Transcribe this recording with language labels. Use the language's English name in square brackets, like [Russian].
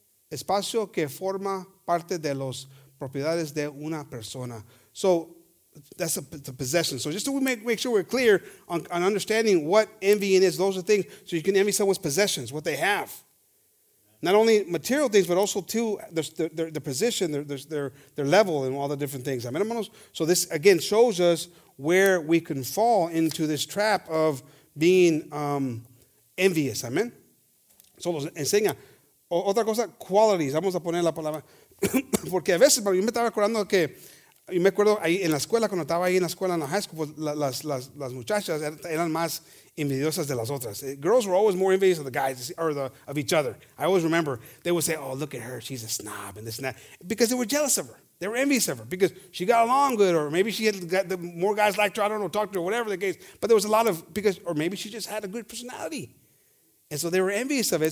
[Spanish] Espacio que forma parte de las propiedades de una persona. [English] So, that's the possession. So, just to make sure we're clear on understanding what envying is, those are things. So, you can envy someone's possessions, what they have. Not only material things, but also too their position, their level, and all the different things. So, this again shows us where we can fall into this trap of being envious. [Spanish] Amen. So, los enseña. Otra cosa, qualities. Vamos a poner la palabra. Porque a veces, yo me estaba acordando que, yo me acuerdo ahí en la escuela, cuando estaba ahí en la escuela, en la high school, las muchachas eran más envidiosas de las otras. [English] Girls were always more envious of the guys, of each other. I always remember, they would say, oh, look at her, she's a snob, and this and that. Because they were jealous of her. They were envious of her because she got along good, or maybe she had got the more guys liked her, I don't know, talked to her, whatever the case. But there was a lot of, because, or maybe she just had a good personality. And so they were envious of it.